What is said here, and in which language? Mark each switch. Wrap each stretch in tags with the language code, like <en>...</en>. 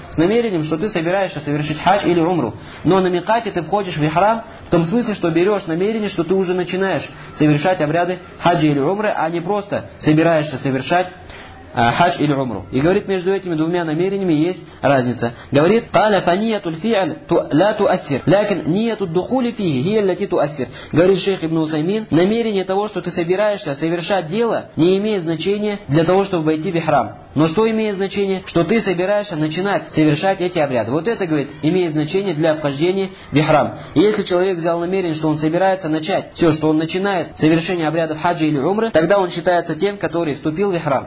<ru>С намерением, что ты собираешься совершить хадж или умру. Но на микате ты входишь в ихрам в том смысле, что берешь намерение, что ты уже начинаешь совершать обряды хаджа или умры, а не просто собираешься совершать хадж или умру. И говорит, между этими двумя намерениями есть разница. Говорит,</ru> <ar>قال فنيه الفعل لا تؤثر لكن نيه الدخول فيه هي التي تؤثر.</ar> <ru>Говорит шейх ибн Усаймин, намерение того, что ты собираешься совершать дело, не имеет значения для того, чтобы войти в ихрам. Но что имеет значение? Что ты собираешься начинать совершать эти обряды. Вот это, говорит, имеет значение для вхождения в ихрам. И если человек взял намерение, что он собирается начать все, что он начинает совершение обрядов хаджа или умры, тогда он считается тем, который вступил в ихрам.</ru>